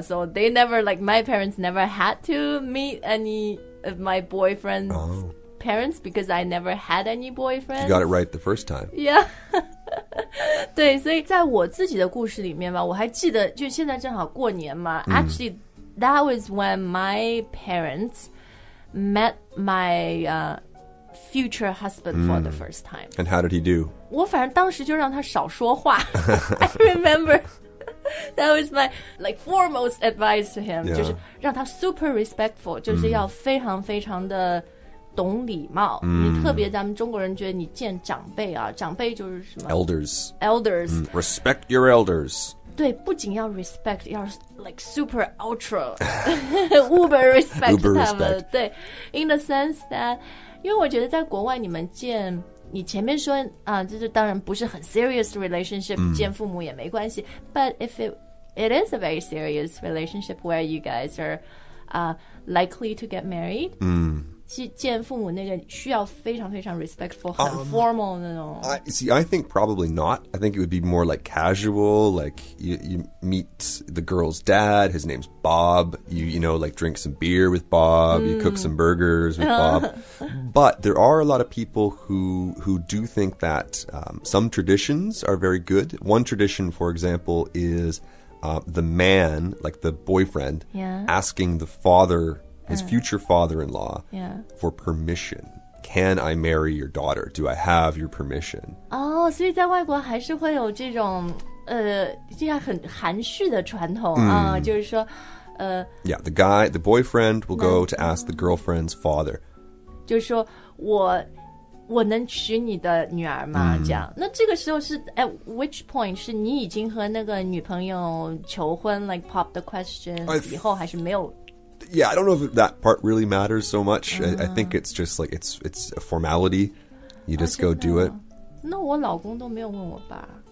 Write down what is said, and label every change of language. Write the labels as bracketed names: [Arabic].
[English] So they never, like my parents never had to meet any of my boyfriend's、oh. parents because I never had any boyfriend. You got it right the first time. Yeah. [Chinese] 对，所以在我自己的故事里面吧，我还记得就现在正好过年嘛、mm. [English] Actually, that was when my parents met my、future husband、mm. for the first time. And how did he do? [Chinese] 我反正当时就让他少说话。 [English] I remember that was my like foremost advice to him,、 yeah. [Chinese] 就是让他 [English] super respectful, [Chinese] 就是要非常非常的懂礼貌、 mm. 你特别咱们中国人觉得你见长辈啊，长辈就是什么 [English] Elders、 mm. Respect your elders. [Chinese] 对，不仅要 [English] respect, [Chinese] 要 [English] like super ultra uber respect uber [Chinese] 他们 [English] respect. [Chinese] 对， [English] in the sense that [Chinese] 因为我觉得在国外你们见你前面说啊，就是当然不是很 [English] serious relationship、 [Chinese] mm. 见父母也没关系， [English] but if it is a very serious relationship where you guys are、likely to get married、 mm. [Chinese] 见父母那个需要非常非常 respectful, 很 formal 那种。 [English] I think probably not. I think it would be more like casual, like you meet the girl's dad, his name's Bob, you know, like drink some beer with Bob,、mm. you cook some burgers with Bob. But there are a lot of people who do think that、some traditions are very good. One tradition, for example, is、the man, like the boyfriend,、 yeah. asking the father... his future father-in-law、 yeah. for permission. Can I marry your daughter? Do I have your permission? Oh, so in [Chinese] 外国还是会有这种这样很含蓄的传统、mm. 就是说 [English] Yeah, the guy, the boyfriend will go to ask the girlfriend's father. [Chinese] 就是说我能娶你的女儿吗、mm. 这样。那这个时候是 [English] at which point [Chinese] 是你已经和那个女朋友求婚 [English] like pop the question [Chinese] 以后还是没有 [English] Yeah, I don't know if that part really matters so much.、Uh-huh. I think it's just like, it's a formality. You just、go do it. [Chinese] 那我老公都没有问我爸。